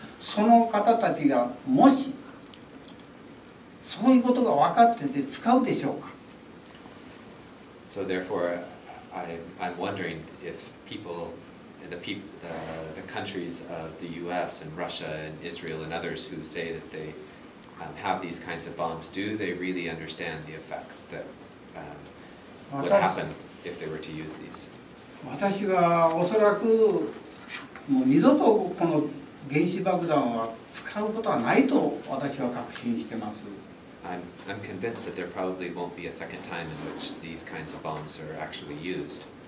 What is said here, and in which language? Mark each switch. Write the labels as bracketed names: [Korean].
[Japanese] こんなに恐ろしい兵器を例えばアメリカ、ソビエト、それから今イスラエルが持ってるって言われてるけど、持ってるかも分かりませんけども、その方たちがもし [English] So therefore, I'm wondering if people, the countries of the U.S. and Russia and Israel and others who say that they have these kinds of bombs, do they really understand the effects that would happen if they were to use these? [Japanese] 私はおそらくもう二度とこの原子爆弾は使うことはないと私は確信してます。 [English] I'm convinced that there probably won't be a second time in which these kinds of bombs are actually used.